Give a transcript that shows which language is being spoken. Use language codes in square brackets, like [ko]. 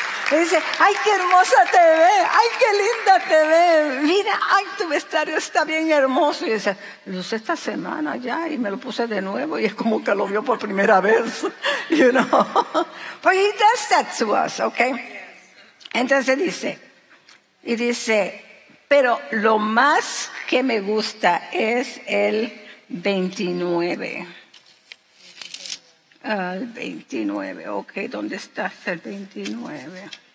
[es] Y dice, ¡ay, qué hermosa te ve! ¡Ay, qué linda te ve! ¡Mira, ay, tu vestuario está bien hermoso! Y dice, lo usé esta semana ya y me lo puse de nuevo y es como que lo vio por primera vez. [en] You know? But he does that to us, okay? [es] Entonces dice, y dice, pero lo más que me gusta es el 29. El 29, ok, ¿dónde está el 29?